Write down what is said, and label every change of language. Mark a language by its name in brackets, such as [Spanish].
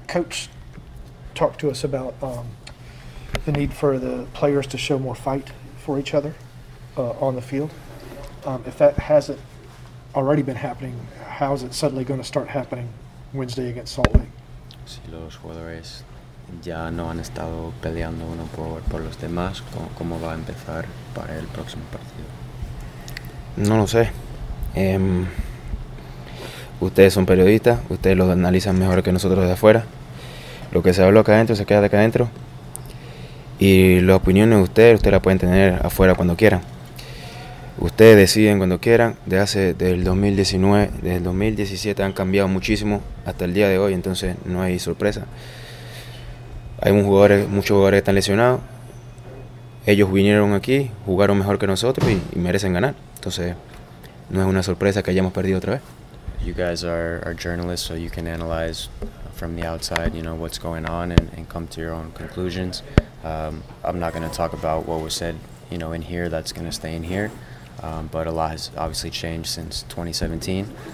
[English] Coach talked to us about the need for the players to show more fight for each other on the field. If that hasn't already been happening, how is it suddenly going to start happening Wednesday against Salt Lake? [Spanish] Si los jugadores ya no han estado peleando uno por los demás, ¿cómo va a empezar para el próximo partido? No lo sé. Ustedes son periodistas, ustedes lo analizan mejor que nosotros de afuera. Lo que se habló acá adentro se queda acá adentro. Y las opiniones de ustedes las pueden tener afuera cuando quieran. Ustedes deciden cuando quieran. Desde el 2017 han cambiado muchísimo hasta el día de hoy, entonces no hay sorpresa. Hay muchos jugadores que están lesionados. Ellos vinieron aquí, jugaron mejor que nosotros y merecen ganar. Entonces no es una sorpresa que hayamos perdido otra vez. [English] You guys are journalists, so you can analyze from the outside, you know, what's going on and come to your own conclusions. I'm not going to talk about what was said, you know, in here. That's going to stay in here. But a lot has obviously changed since 2017.